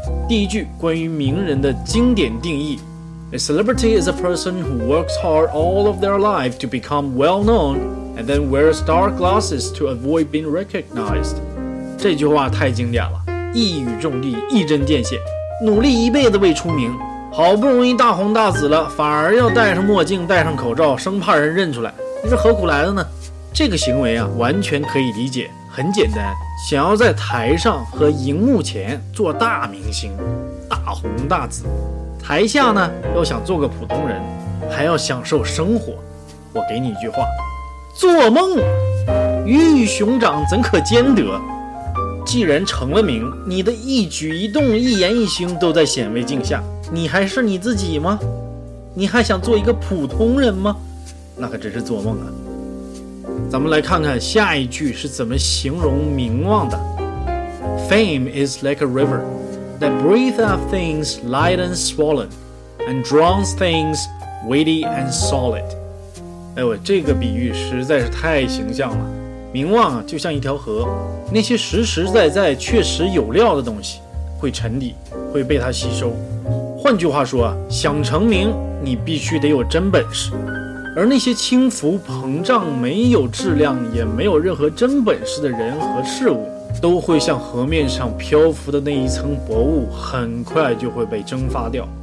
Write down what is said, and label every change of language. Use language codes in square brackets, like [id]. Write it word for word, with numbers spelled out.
[zh] 第一句关于名人的经典定义 [en] ：A celebrity is a person who works hard all of their life to become well known and then wears dark glasses to avoid being recognized。 [zh] 这句话太经典了，一语中的，一针见血。努力一辈子为出名。好不容易大红大紫了，反而要戴上墨镜戴上口罩，生怕人认出来，你是何苦来的呢？这个行为啊完全可以理解，很简单，想要在台上和荧幕前做大明星大红大紫，台下呢要想做个普通人，还要享受生活。我给你一句话，做梦，鱼与熊掌怎可兼得。既然成了名，你的一举一动一言一行都在显微镜下，你还是你自己吗？你还想做一个普通人吗？那可真是做梦啊。咱们来看看下一句是怎么形容名望的。 [en] Fame is like a river that breathes up things light and swollen and drowns things weighty and solid。 [zh] 哎呦，这个比喻实在是太形象了。名望啊，就像一条河，那些实实在在确实有料的东西会沉底，会被它吸收。换句话说啊，想成名你必须得有真本事，而那些轻浮膨胀没有质量也没有任何真本事的人和事物，都会像河面上漂浮的那一层薄雾，很快就会被蒸发掉。